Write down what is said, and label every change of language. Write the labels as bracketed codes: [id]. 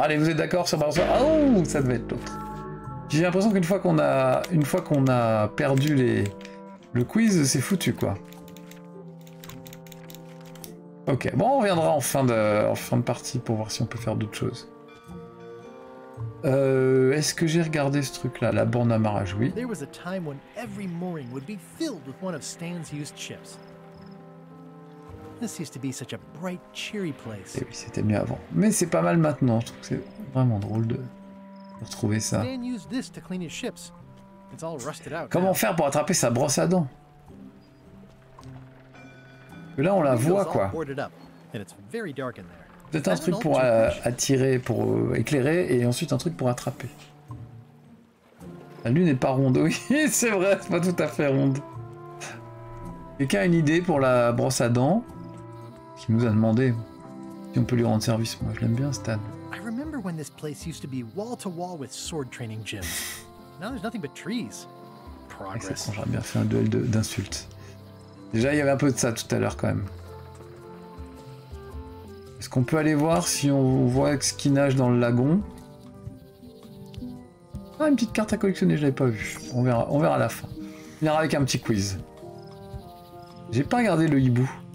[fr] Allez, vous êtes d'accord sur balançoire? Ah, oh, ça devait être l'autre. J'ai l'impression qu'une fois qu'on a, perdu le quiz, c'est foutu, quoi. Ok, bon, on reviendra en fin de partie pour voir si on peut faire d'autres choses. Est-ce que j'ai regardé ce truc-là, la borne à marrage? Oui. [en] There was a time when every mooring would be filled with one of Stan's used ships. This used to be such a bright, cheery place. [fr] Et oui, c'était mieux avant. Mais c'est pas mal maintenant. Je trouve que c'est vraiment drôle de retrouver ça. [en] Stan used this to clean his ships. It's all rusted out. [fr] Comment faire pour attraper sa brosse à dents? Là, on la voit, quoi. Peut-être un truc pour attirer, pour éclairer, et ensuite un truc pour attraper. La lune n'est pas ronde. Oui, c'est vrai, c'est pas tout à fait ronde. Quelqu'un a une idée pour la brosse à dents? Qui nous a demandé si on peut lui rendre service. Moi, je l'aime bien, Stan. [en] I remember when this place used to be wall-to-wall with sword training gyms. Now there's nothing but trees. Progress. [fr] J'aurais bien fait un duel d'insultes. Déjà, il y avait un peu de ça tout à l'heure, quand même. Est-ce qu'on peut aller voir si on voit ce qui nage dans le lagon? Ah, une petite carte à collectionner, je l'avais pas vue. On verra à la fin. On verra avec un petit quiz. J'ai pas regardé le hibou.